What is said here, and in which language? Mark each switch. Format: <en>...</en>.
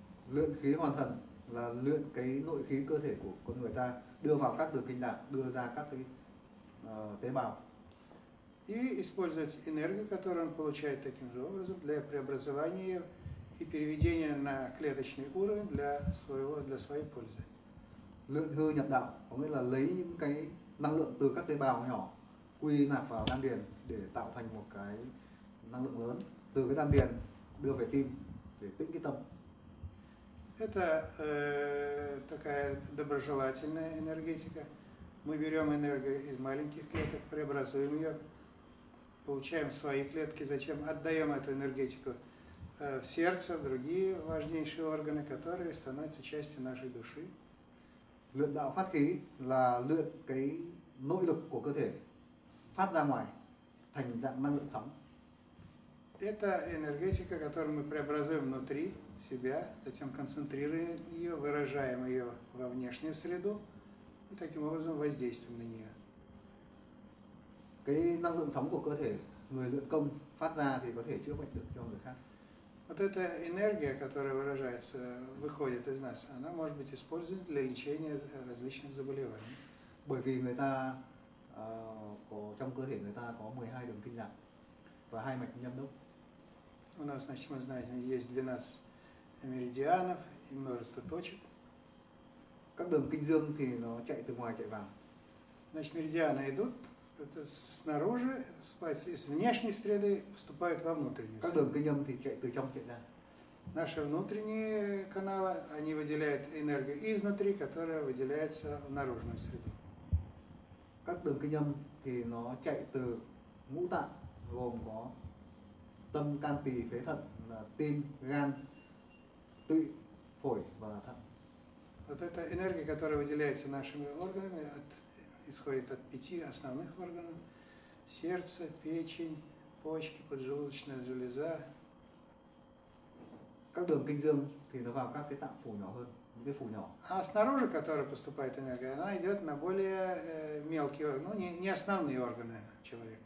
<vi>Luyện khí hoàn thần là luyện cái nội khí cơ thể của con người ta đưa vào các đường kinh lạc, đưa ra các cái tế bào.</vi> <ru>И использовать энергию, которую он получает таким же образом, для преобразования и переведения на клеточный уровень для своей пользы.</ru> <vi>Luyện hư nhập đạo có nghĩa là lấy những cái năng lượng từ các tế bào nhỏ quy nạp vào đan điền để tạo thành một cái năng lượng lớn từ cái đan điền đưa về tim để tĩnh cái tâm.</vi> <ru>Это такая доброжелательная энергетика. Мы берем энергию из маленьких клеток, преобразуем ее, получаем свои клетки, затем отдаем эту энергетику в сердце, в другие важнейшие органы, которые становятся частью нашей души.</ru> <vi>Luyện đạo phát khí là luyện cái nội lực của cơ thể phát ra ngoài thành dạng năng lượng sóng.</vi> <ru>Это энергетика, которую мы преобразуем внутри себя, затем концентрируем ее, выражаем ее во внешнюю среду и таким образом воздействуем на нее.</ru> <vi>Cái năng lượng sóng của cơ thể người luyện công phát ra thì có thể chữa bệnh được cho người khác.</vi> <ru>Вот эта энергия, которая выражается, выходит из нас, она может быть использована для лечения различных заболеваний.</ru> <vi>Bởi vì người ta có trong cơ thể người ta có 12 đường kinh lạc và hai mạch nhâm đốc.</vi> <ru>У нас, значит, мы знаем, есть 12 меридианов и множество точек.</ru> <vi>Các đường kinh dương thì nó chạy từ ngoài chạy vào.</vi> <ru>Значит, меридианы идут это снаружи, спать из внешней среды поступают во внутреннюю среду.</ru> <vi>Các đường kinh âm thì chạy từ trong chạy ra.</vi> <ru>Наши внутренние каналы, они выделяют энергию изнутри, которая выделяется в наружную среду.</ru> <vi>Các đường kinh âm thì nó chạy từ ngũ tạng gồm có tâm, can, tỳ, phế, thận, là tim, gan, tụy, phổi và thận.</vi> <ru>Вот эта энергия, которая выделяется нашими органами, исходит от пяти основных органов: сердце, печень, почки, поджелудочная железа.</ru> <vi>Các đường kinh dương thì nó vào các cái tạng phủ nhỏ hơn, những cái phủ nhỏ.</vi> <ru>А снаружи, которая поступает энергия, она идет на более мелкие органы, ну не основные органы человека.</ru>